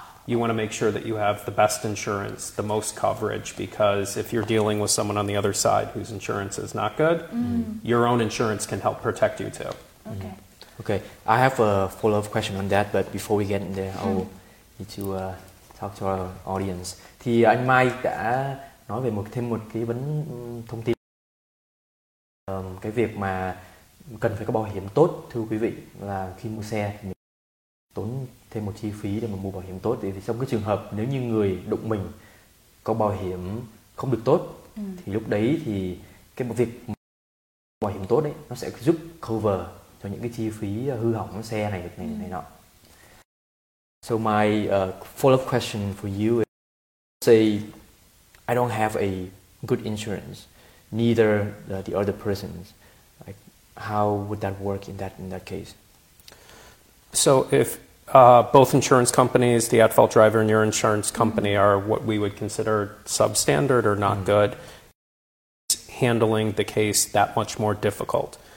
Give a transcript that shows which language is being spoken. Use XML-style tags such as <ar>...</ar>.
<en>You want to make sure that you have the best insurance, the most coverage, because if you're dealing with someone on the other side whose insurance is not good, your own insurance can help protect you too. Okay. Okay. I have a follow-up question on that, but before we get in there, I will need to talk to our audience.</en> <vi>Thì anh Mike đã nói về thêm một cái vấn thông tin, cái việc mà cần phải có bảo hiểm tốt, thưa quý vị, là khi mua xe mình tốn thêm một chi phí để mà mua bảo hiểm tốt. Thì trong cái trường hợp nếu như người đụng mình có bảo hiểm không được tốt, thì lúc đấy thì cái việc bảo hiểm tốt ấy nó sẽ giúp cover cho những cái chi phí hư hỏng xe này được này nọ.</vi> <en>So my follow-up question for you is, say I don't have a good insurance, neither the other person's. Like, how would that work in that case? So if both insurance companies, the at-fault driver and your insurance company, are what we would consider substandard or not good, it's handling the case that much more difficult.</en>